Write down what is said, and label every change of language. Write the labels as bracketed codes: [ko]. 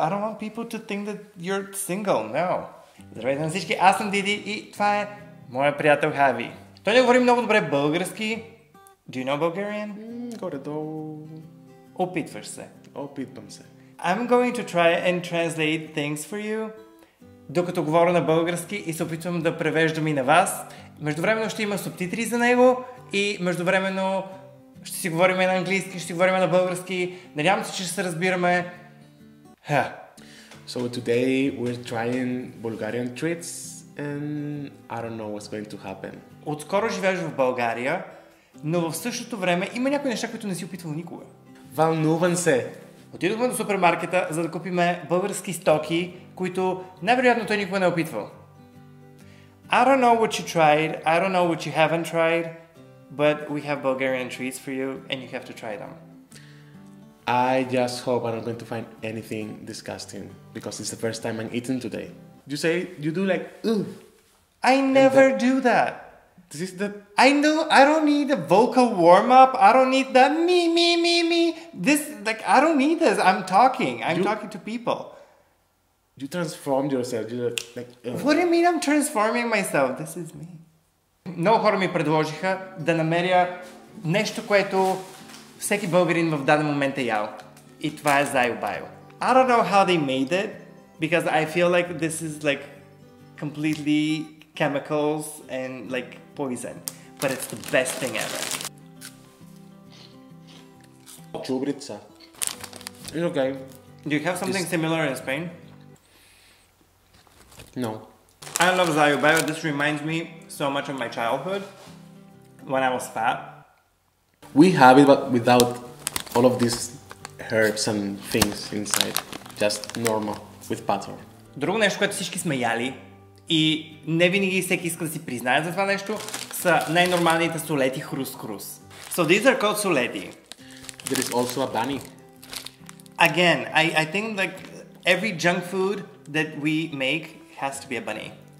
[en] I don't want people to think that you're single. No. [bg] Здравейте на всички, аз съм Диди и това е моя приятел Хави. Той не говори много добре български. [en] Do you know Bulgarian? [bg] Горе-долу. Опитваш се. Опитвам се. [en] I'm going to try and translate things for you. [bg] Докато говоря на български и се опитвам да превеждам и на вас. Междувременно ще има субтитри за него и междувременно ще си говорим на английски, ще си говорим на български. Надявам се, че ще се разбираме. Ха. [en] So today we're trying Bulgarian treats and I don't know what's going to happen. [bg] Отскоро живееш в България, но в същото време има някои неща, които не си опитвал никога. Вълнувам се. Отидохме до супермаркета, за да купим български стоки, които най-вероятно той никога не е опитвал. [en] I don't know what you tried, I don't know what you haven't tried. But we have Bulgarian treats for you, and you have to try them. I just hope I'm not going to find anything disgusting, because it's the first time I'm eating today. You say, you do like, ugh. I never do that. This is the... I know, I don't need a vocal warm-up, I don't need that me. This, like, I don't need this, I'm talking to people. You transformed yourself, you're like, ugh. What do you mean I'm transforming myself? This is me. [bg] Много хора ми предложиха да намеря нещо, което всеки българин в даден момент е ял. И това е зайобайо. [en] I don't know how they made it, because I feel like this is like completely chemicals and like poison. But it's the best thing ever. Чубрица. It's okay. Do you have something similar in Spain? No. I love zayobayo. This reminds me so much of my childhood, when I was fat. We have it, but without all of these herbs and things inside. Just normal, with butter. [bg] Друго нещо, което всички сме яли, и не винаги всеки иска да си признае за това нещо, са най-нормалните солети хрус-хрус. [en] So these are called солети. There is also a bunny. Again, I think like every junk food that we make has to be a bunny.